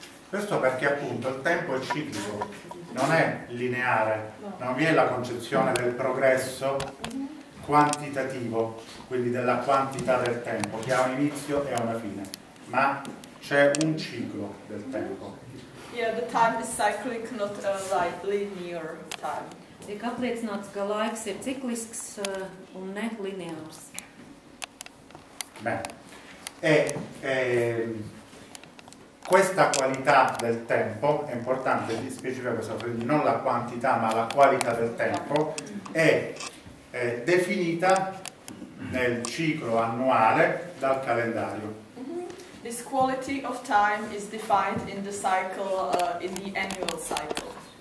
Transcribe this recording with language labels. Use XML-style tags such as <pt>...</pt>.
<it>Questo perché appunto il tempo è ciclico, non è lineare, non vi è la concezione del progresso quantitativo, quindi della quantità del tempo, che ha un inizio e una fine, ma c'è un ciclo del tempo.</it> <en>Yeah, the time is cyclic, not a linear time.</en> <lv>Tiek apliecināts, ka laiks ir ciklisks un ne lineārs.</lv> <it>Bene. Questa qualità del tempo, è importante di specificare questo, quindi non la quantità ma la qualità del tempo, è definita nel ciclo annuale dal calendario.</it> <en>This quality of time is defined in the cycle, in the annual cycle.</en>